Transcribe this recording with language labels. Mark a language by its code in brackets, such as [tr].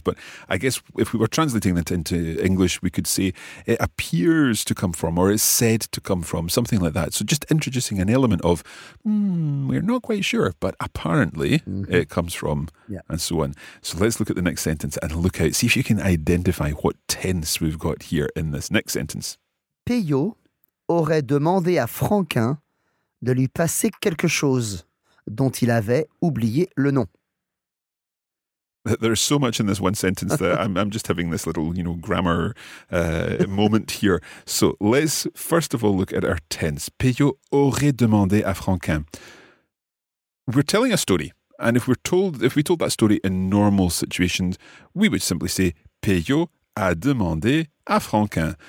[en] But I guess if we were translating that into English, we could say it appears to come from or is said to come from, something like that. So just introducing an element of, we're not quite sure, but apparently it comes from and so on. So let's look at the next sentence and look out, see if you can identify what tense we've got here in this next sentence. [fr] Peyot aurait demandé à Franquin de lui passer quelque chose dont il avait oublié le nom. [en] There's so much in this one sentence that I'm just having this little, you know, grammar moment here. So let's first of all look at our tense. [fr] Peyot aurait demandé à Franquin. [en] We're telling a story, and if we told that story in normal situations, we would simply say [fr] Peyot a demandé à Franquin.